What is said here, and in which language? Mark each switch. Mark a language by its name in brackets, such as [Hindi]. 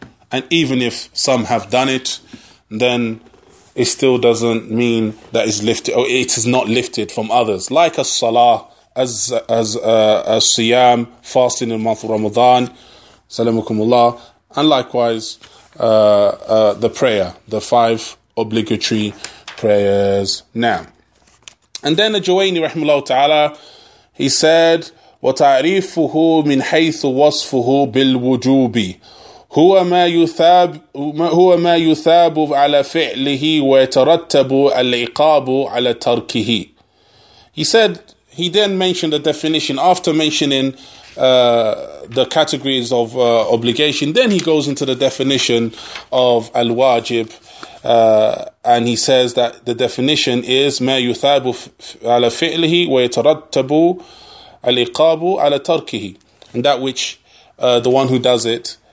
[English] And even if some have done it, then it still doesn't mean that it's lifted, or it is not lifted from others. Like as salah, as siyam, fasting in the month of Ramadan, salamukumullah, and likewise the prayer, the five obligatory prayers. Now, and then the Juwayni rahimahullah ta'ala, he said, [Arabic] وتعريفه من حيث وصفه بالوجوب هو ما يثاب على فعله ويترتب العقاب على تركه. [English] He said, he then mentioned a definition after mentioning the categories of obligation. Then he goes into the definition of al-wajib, and he says that the definition is [Arabic] ما يثاب على فعله ويترتب al-iqabu ala tarkihi, [English] and that which the one who does it,